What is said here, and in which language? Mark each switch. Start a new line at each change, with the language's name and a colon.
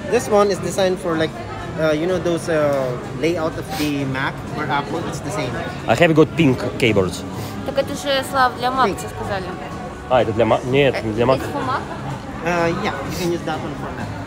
English: This one is designed for like, those layout of the Mac or Apple, it's the same. I have got pink keyboards.
Russian: Так это же, Слав, для Mac, что сказали. А, это для Mac? Нет, для Mac.
English: It's for Mac? Yeah, you can use that one for Mac.